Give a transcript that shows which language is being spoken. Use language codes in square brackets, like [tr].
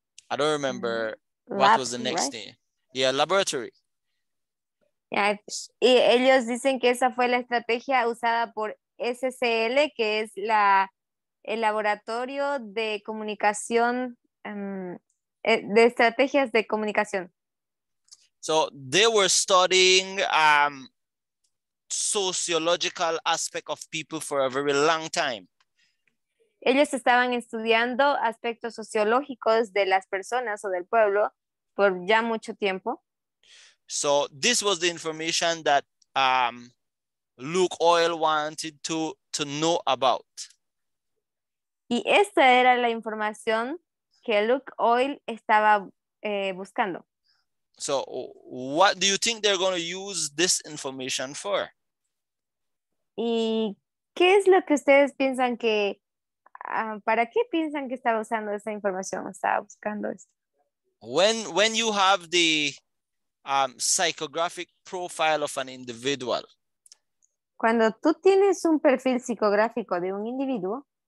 [en] I don't remember what was the next name. Yeah, Laboratory. Yeah. [es] Y ellos dicen que esa fue la estrategia usada por SCL, que es el laboratorio de comunicación, de estrategias de comunicación. [en] So they were studying sociological aspect of people for a very long time. [es] Ellos estaban estudiando aspectos sociológicos de las personas o del pueblo por ya mucho tiempo. [en] So this was the information that Luke Oil wanted to know about. [es] Y esta era la información que Luke Oil estaba buscando. [en] So what do you think they're going to use this information for? [es] ¿Y qué es lo que ustedes piensan que para qué piensan que estaba usando esa información, estaba buscando esto? [en] When you have the psychographic profile of an individual. [es] Cuando tú tienes un perfil psicográfico de un individuo.